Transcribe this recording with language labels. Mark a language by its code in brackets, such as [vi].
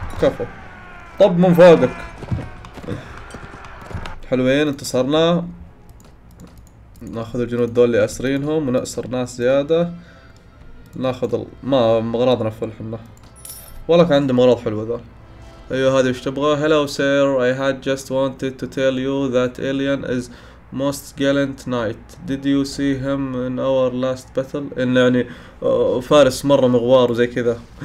[ar] كفو طب من فوقك. حلوين انتصرنا، ناخذ الجنود دول اللي اسرينهم ونأسر ناس زيادة. ناخذ ما مغراضنا فل حنا، والله كان عندي مغراض حلوة ذا. ايوه هذه وش تبغى؟ [en] Hello sir, I had just wanted to tell you that alien is most gallant knight. Did you see him in our last battle? [ar] إن يعني فارس مرة مغوار وزي كذا.